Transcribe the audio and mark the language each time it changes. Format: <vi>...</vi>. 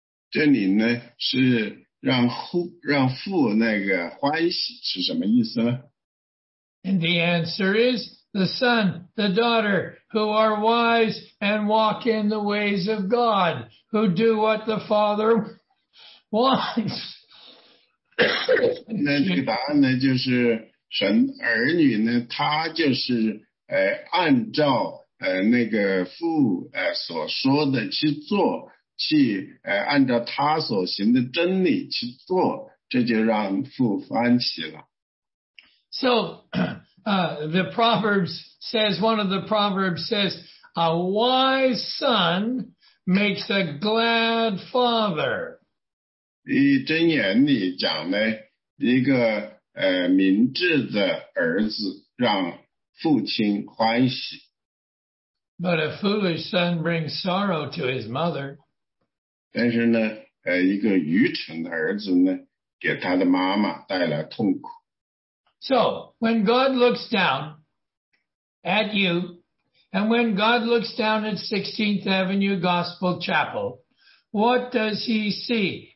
<zh>这里呢是让父那个欢喜是什么意思呢?</zh> <en>And the answer is the son, the daughter, who are wise and walk in the ways of God, who do what the father wants.</en> <zh>那这个答案呢，就是神儿女呢，他就是按照那个父所说的去做。去按照他所行的真理去做，这就让父欢喜了。</zh> <en>So the Proverbs says, one of the Proverbs says, a wise son makes a glad father.</en> <zh>以箴言里讲呢，一个明智的儿子让父亲欢喜。</zh> <en>But a foolish son brings sorrow to his mother.</en> <zh>但是呢，一个愚蠢的儿子呢，给他的妈妈带来痛苦。</zh> <en>So when God looks down at you, and when God looks down at 16th Avenue Gospel Chapel, what does he see?</en>